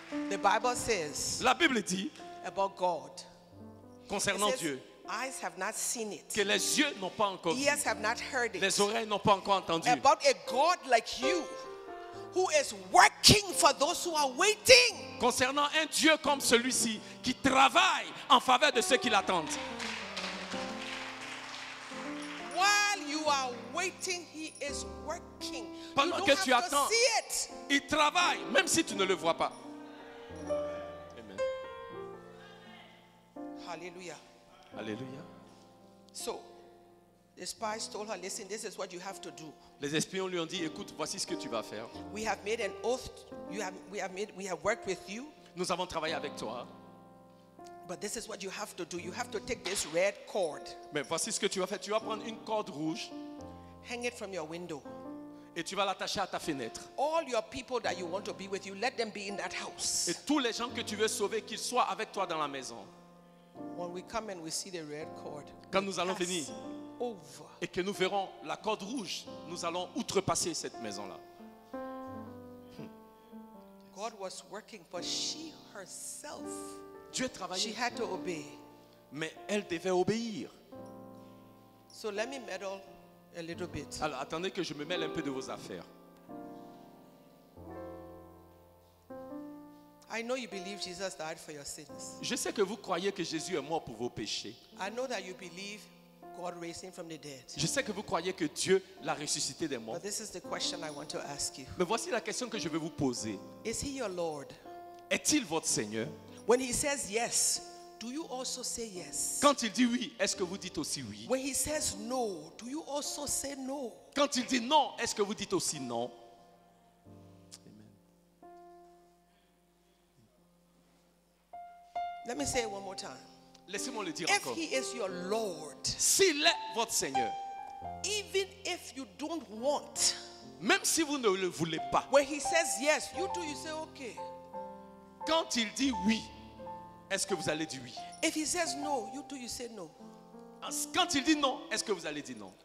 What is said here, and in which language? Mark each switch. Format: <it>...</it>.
<en>The Bible says,</en> <fr>la Bible dit</fr> <en>about God,</en> <fr>concernant</fr> <en>says,</en> <fr>Dieu,</fr> <en>eyes have not seen it,</en> <fr>que les yeux n'ont pas encore vu,</fr> <en>ears have not heard it,</en> <fr>les oreilles n'ont pas encore entendu,</fr> <en>about a God like you, who is working for those who are waiting.</en> <fr>Concernant un Dieu comme celui-ci qui travaille en faveur de ceux qui l'attendent.</fr> <en>While you are waiting, he is working.</en> <fr>Pendant que tu attends, il travaille, même si tu ne le vois pas.</fr> <en>Amen. Hallelujah. Hallelujah. So, the spies told her, "Listen, this is what you have to do."</en> <fr>Les espions lui ont dit, "Écoute, voici ce que tu vas faire."</fr> <en>We have made an oath. We have worked with you.</en> <fr>Nous avons travaillé avec toi.</fr> <en>But this is what you have to do. You have to take this red cord.</en> <fr>Mais voici ce que tu vas faire. Tu vas prendre une corde rouge.</fr> <en>Hang it from your window.</en> <fr>Et tu vas l'attacher à ta fenêtre.</fr> <en>All your people that you want to be with you, let them be in that house.</en> <fr>Et tous les gens que tu veux sauver, qu'ils soient avec toi dans la maison.</fr> <en>When we come and we see the red cord,</en> <fr>quand nous allons venir,</fr> <en>over.</en> <fr>Et que nous verrons la corde rouge, nous allons outrepasser cette maison-là.</fr> <en>God was working, but she herself,</en> <fr>Dieu travaillait.</fr> <en>She had to obey.</en> <fr>Mais elle devait obéir.</fr> <en>So let me meddle. A little bit.</en> <fr>Alors attendez que je me mêle un peu de vos affaires.</fr> <en>I know you believe Jesus died for your sins.</en> <fr>Je sais que vous croyez que Jésus est mort pour vos péchés.</fr> <en>I know that you believe God raised him from the dead.</en> <fr>Je sais que vous croyez que Dieu l'a ressuscité des morts.</fr> <en>But this is the question I want to ask you.</en> <fr>Mais voici la question que je vais vous poser.</fr> <en>Is he your Lord?</en> <fr>Est-il votre Seigneur?</fr> <en>When he says yes, do you also say yes?</en> <fr>Quand il dit oui, est-ce que vous dites aussi oui?</fr> <en>When he says no, do you also say no?</en> <fr>Quand il dit non, est-ce que vous dites aussi non?</fr> <en>Amen. Let me say it one more time.</en> <fr>Laissez-moi le dire</fr> <en>if</en> <fr>encore.</fr> <en>If he is your Lord,</en> <fr>s'il est votre Seigneur,</fr> <en>even if you don't want,</en> <fr>même si vous ne le voulez pas,</fr> <en>when he says yes, you do, you say okay.</en> <fr>Quand il dit oui, est-ce que vous allez dire oui?</fr> <en>If he says no, you too, you say no.</en> <fr>Quand il dit non, est-ce que vous allez dire non?</fr>